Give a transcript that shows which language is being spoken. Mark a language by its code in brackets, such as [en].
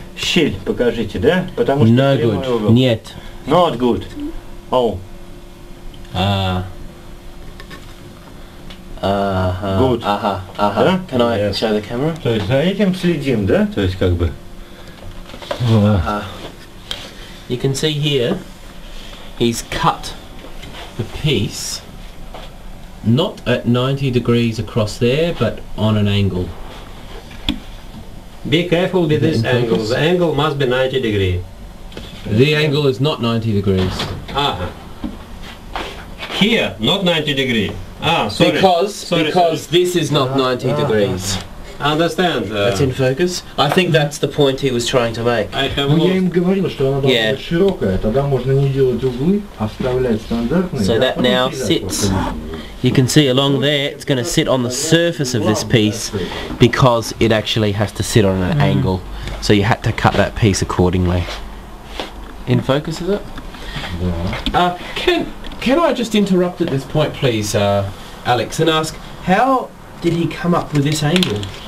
[ru] Щель покажите, да? Потому [en] no [ru] что [en] good. [ru] Нет. [en] Not good. Oh. Good. [ru] Ага, ага. Да? [en] Can I show the camera? [ru] То есть за этим следим, да? То есть как бы. [en] You can see here, he's cut the piece, not at 90 degrees across there, but on an angle. Be careful with this angle. The angle must be 90 degrees. The angle is not 90 degrees. Ah. Here, not 90 degrees. Ah, sorry. Because this is not 90 degrees. Understand. That's in focus. I think that's the point he was trying to make. I have [ru] я им говорил, что она должна быть широкая. Тогда можно не делать углы, оставлять стандартные. [en] So that now sits. You can see along there, it's going to sit on the surface of this piece because it actually has to sit on an angle. So you had to cut that piece accordingly. In focus, is it? Yeah. Can I just interrupt at this point, please, Alex, and ask how did he come up with this angle?